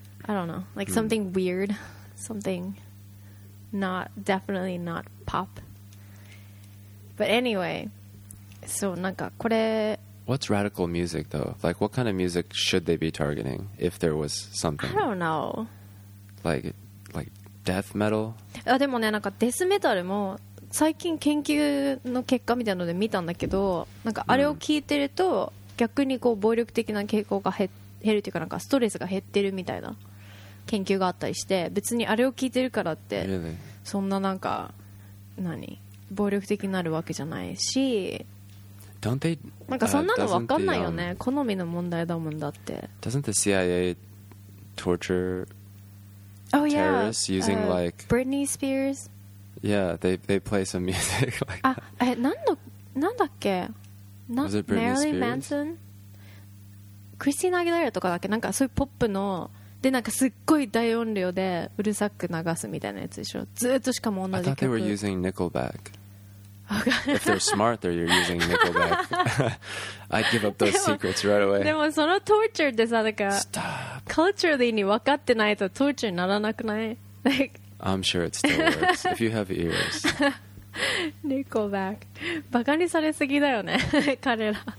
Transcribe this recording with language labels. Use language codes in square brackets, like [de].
[en] I don't know, like something weird, something not, definitely not pop. But anyway, so what's radical music though? Like what kind of music should they be targeting if there was something? I don't know. Like death metal? [ja] でもね、なんかデスメタルも最近研究の結果みたいなので見たんだけど、なんかあれを聞いてると逆にこう暴力的な傾向が減るというか、なんかストレスが減ってるみたいな研究があったりして、別にあれを聞いてるからってそんななんか何暴力的になるわけじゃないし、なんかそんなの分かんないよね、好みの問題だもんだって。 [en] Doesn't the CIA torture terrorists using like Britney Spears? Yeah, they play some music like that. [ja] なんだっけ、 [en] Was it Britney Marilyn [ja] Manson? Christina Aguilera とかだっけ、なんかそういうポップので、なんかすっごい大音量でうるさく流すみたいなやつでしょ、ずっと。しかも同じ曲。 [en] I thought they were using Nickelback. If they're smart, they're using Nickelback. I'd give up those secrets right away. [ja] でもそのトーチャーってさ、なんか [en] Stop! [ja] Culturally に分かってないとトーチャーにならなくない？ [en] I'm sure it still works. If you have ears. Nickelback. [ja] バカにされすぎだよね、彼ら。